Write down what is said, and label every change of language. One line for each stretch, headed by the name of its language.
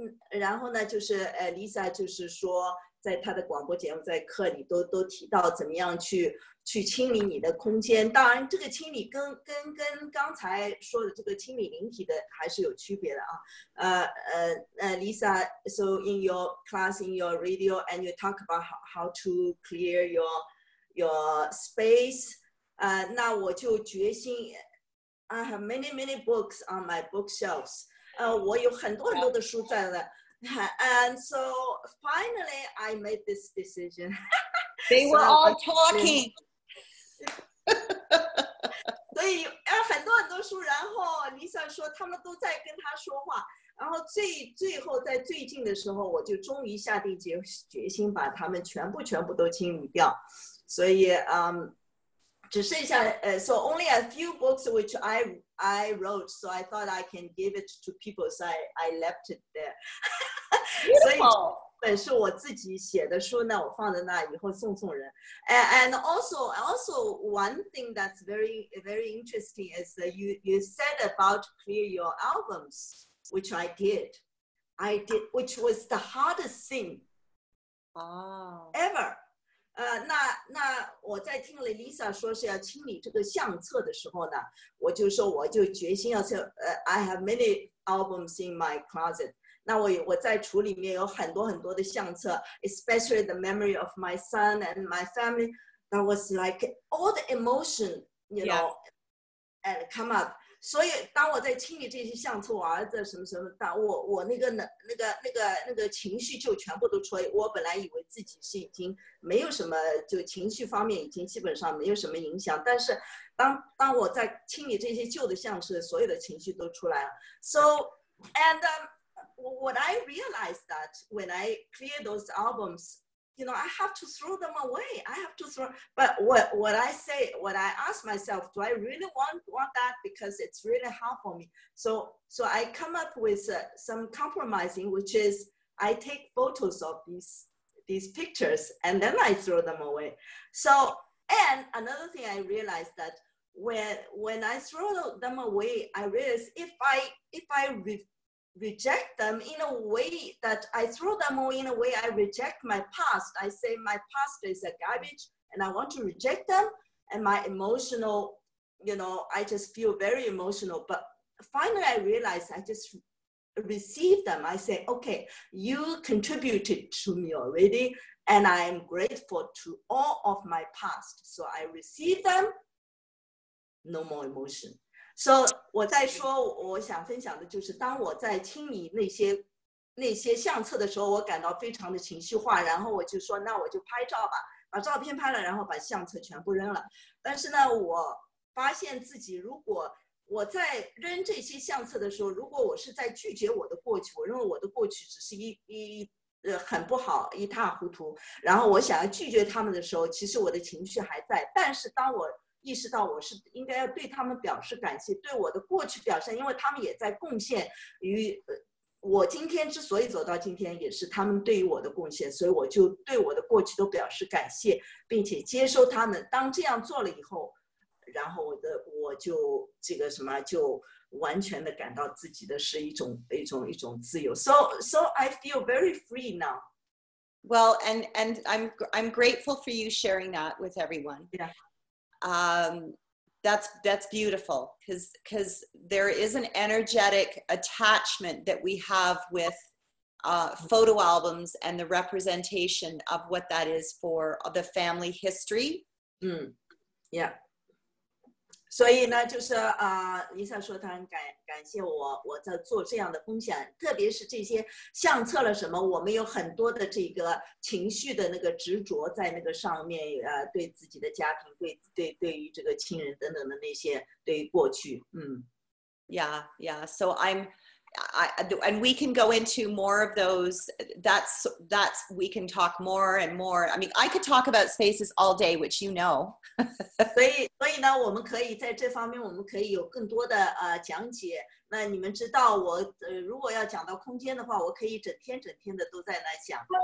Chinese: 然后呢，就是Lisa 就是说，在她的广播节目在课里都提到怎么样去清理你的空间。当然这个清理跟刚才说的这个清理灵体的还是有区别的啊。
English: Lisa, so in your class, in your radio, and you talk about how to clear your space,
Chinese: 那我就决心
English: I have many books on my bookshelves,
Chinese: 我有很多的书在那。
English: And so finally I made this decision. They were all talking.
Chinese: 所以很多书，然后 Lisa 说他们都在跟他说话，然后最后在最近的时候，我就终于下定决心把他们全部都清理掉。所以只剩下
English: so only a few books which I wrote, so I thought I can give it to people, so I left it there.
Chinese: 所以本是我自己写的书呢，我放在那以后送人。
English: And also one thing that's very very interesting is that you said about clear your albums, which I did. I did, which was the hardest thing ever.
Chinese: 那我在听了 Lisa 说是要清理这个相册的时候呢，我就决心要去。
English: I have many albums in my closet.
Chinese: 那我在橱里面有很多的相册
English: ，especially the memory of my son and my family. That was like all the emotion, you know, and come up.
Chinese: 所以当我在清理这些相册，我儿子什么什么，当我那个情绪就全部都出来。我本来以为自己是已经没有什么，就情绪方面已经基本上没有什么影响。但是当我在清理这些旧的相册，所有的情绪都出来了。
English: So and what I realized that when I clear those albums, you know, I have to throw them away. I have to throw, but what I say, what I ask myself, do I really want that? Because it's really hard for me. So I come up with some compromising, which is I take photos of these pictures and then I throw them away. So, and another thing I realized that when I throw them away, I realize if I reject them in a way that I throw them away in a way I reject my past. I say my past is a garbage and I want to reject them. And my emotional, you know, I just feel very emotional. But finally, I realized I just receive them. I say, okay, you contributed to me already. And I am grateful to all of my past. So I receive them, no more emotion.
Chinese: So 我在说我想分享的就是当我在清理那些相册的时候，我感到非常的情绪化，然后我就说那我就拍照吧，把照片拍了，然后把相册全部扔了。但是呢，我发现自己如果我在扔这些相册的时候，如果我是在拒绝我的过去，我认为我的过去只是很不好，一塌糊涂，然后我想要拒绝他们的时候，其实我的情绪还在。但是当我意识到我是应该要对他们表示感谢，对我的过去表示，因为他们也在贡献于我今天之所以走到今天，也是他们对于我的贡献，所以我就对我的过去都表示感谢，并且接受他们。当这样做了以后，然后我就这个什么就完全的感到自己的是一种自由。
English: So I feel very free now. Well, and I'm grateful for you sharing that with everyone. Yeah. That's beautiful because there is an energetic attachment that we have with photo albums and the representation of what that is for the family history. Mm. Yeah.
Chinese: 所以呢，就是林夏说他很感谢我在做这样的分享，特别是这些相册了什么，我们有很多的这个情绪的那个执着在那个上面，对自己的家庭，对于这个亲人等等的那些，对于过去，
English: Yeah, yeah. So and we can go into more of those. That's we can talk more and more. I mean, I could talk about spaces all day, which you know.
Chinese: 所以呢，我们可以在这方面，我们可以有更多的讲解。那你们知道我，如果要讲到空间的话，我可以整天整天的都在那讲。